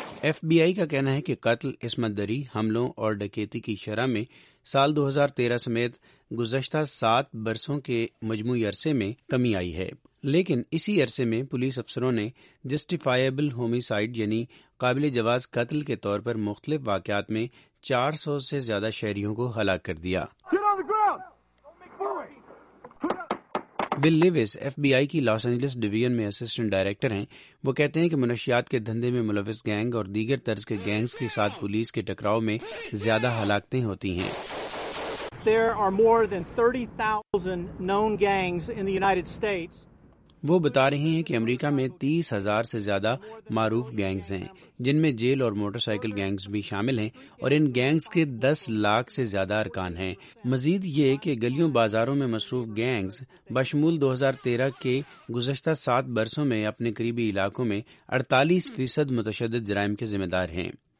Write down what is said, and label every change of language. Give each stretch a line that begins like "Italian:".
Urdu: F B آئی کا کہنا ہے کہ قتل، عصمت دری، حملوں اور ڈکیتی کی شرح میں سال 2013 سمیت گزشتہ 7 برسوں کے مجموعی عرصے میں کمی آئی ہے، لیکن اسی عرصے میں پولیس افسروں نے جسٹیفائیبل ہومیسائڈ یعنی قابل جواز قتل کے طور پر مختلف واقعات میں 400 سے زیادہ شہریوں کو ہلاک کر دیا۔ بل لیویس ایف بی آئی کی لاس اینجلس ڈویژن میں اسسٹنٹ ڈائریکٹر ہیں۔ وہ کہتے ہیں کہ منشیات کے دھندے میں ملوث گینگ اور دیگر طرز کے گینگز کے ساتھ پولیس کے ٹکراؤ میں زیادہ ہلاکتیں ہوتی ہیں۔
English: There are more than 30,000 known gangs in the United States.
Urdu: وہ بتا رہے ہیں کہ امریکہ میں 30,000 سے زیادہ معروف گینگز ہیں، جن میں جیل اور موٹر سائیکل گینگز بھی شامل ہیں، اور ان گینگز کے 10,00,000 سے زیادہ ارکان ہیں۔ مزید یہ کہ گلیوں بازاروں میں مصروف گینگز بشمول 2013 کے گزشتہ 7 برسوں میں اپنے قریبی علاقوں میں 48% متشدد جرائم کے ذمہ دار ہیں۔